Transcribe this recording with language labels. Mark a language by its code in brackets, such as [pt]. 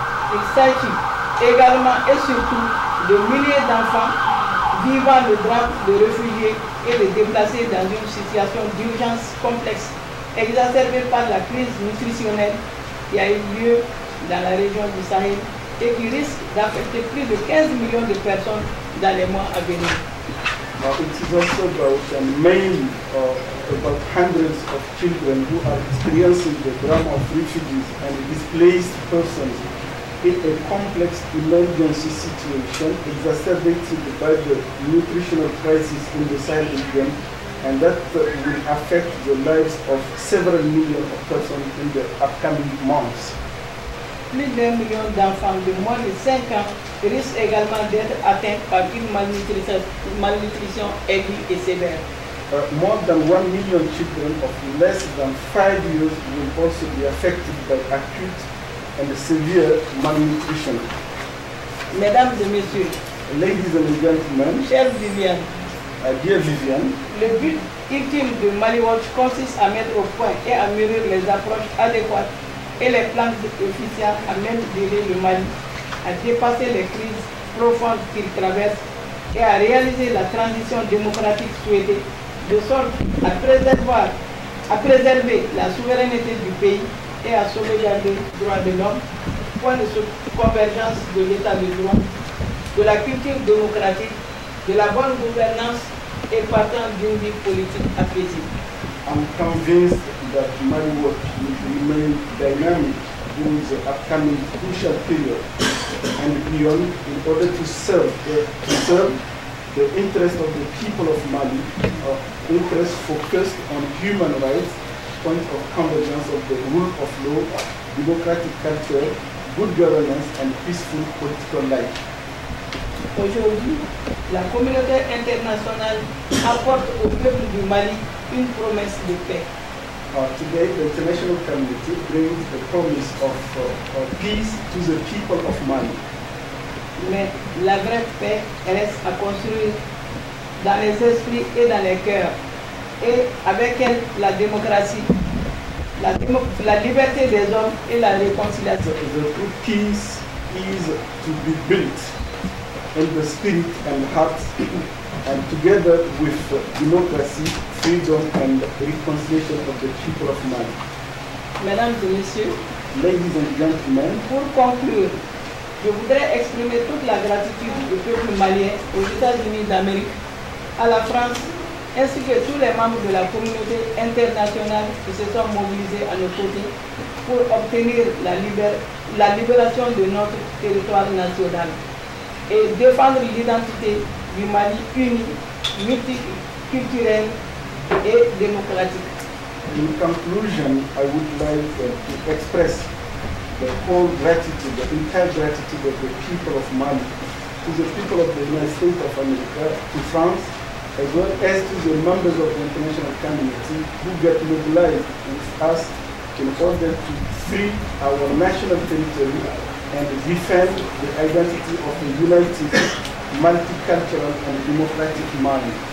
[fr] Il s'agit également et surtout de milliers d'enfants vivant le drame de réfugiés et de déplacés dans une situation d'urgence complexe, exacerbée par la crise nutritionnelle qui a eu lieu dans la région du Sahel et qui risque d'affecter plus de 15 millions de personnes dans les mois à venir. [en] It is also about the main about hundreds of children who are experiencing the drama of refugees and displaced persons in a complex emergency situation exacerbated by the nutritional crisis in the Sahel region, and that will affect the lives of several million of persons in the upcoming months. [fr] Plus d'un million d'enfants de moins de 5 ans risquent également d'être atteints par une malnutrition aiguë et sévère. [en] More than 1 million children of less than 5 years will also be affected by acute and severe malnutrition. [fr] Mesdames et messieurs, [en] ladies and gentlemen, [fr] chère Viviane, [en] dear Viviane, [fr] le but ultime de MaliWatch consiste à mettre au point et à mûrir les approches adéquates et les plans officiels à même d'aider le Mali à dépasser les crises profondes qu'il traverse et à réaliser la transition démocratique souhaitée, de sorte à préserver la souveraineté du pays et à sauvegarder les droits de l'homme, point de convergence de l'état de droit, de la culture démocratique, de la bonne gouvernance et partant d'une vie politique apaisée. [en] I'm convinced that my work will remain dynamic during the upcoming crucial period and beyond in order to serve the interests of the people of Mali, interests focused on human rights, point of convergence of the rule of law, democratic culture, good governance and peaceful political life. [fr] Aujourd'hui, la communauté internationale apporte au peuple du Mali une promesse de paix. [en] Today, the international community brings the promise of peace to the people of Mali. [fr] Mais la vraie paix reste à construire dans les esprits et dans les cœurs. Et avec elle, la démocratie, la liberté des hommes et la réconciliation. [en] The true peace is to be built in the spirit and heart, and together with democracy, freedom and reconciliation of the people of Mali. [fr] Mesdames et messieurs, [en] ladies and gentlemen, [fr] pour conclure, je voudrais exprimer toute la gratitude du peuple malien aux États-Unis d'Amérique, à la France, ainsi que tous les membres de la communauté internationale qui se sont mobilisés à nos côtés pour obtenir la libération de notre territoire national et défendre l'identité du Mali uni, multiculturel et démocratique. [en] In conclusion, I would like to express the whole gratitude, the entire gratitude of the people of Mali to the people of the United States of America, to France, as well as to the members of the international community who get mobilized with us in order to free our national territory and defend the identity of a united, multicultural and democratic Mali.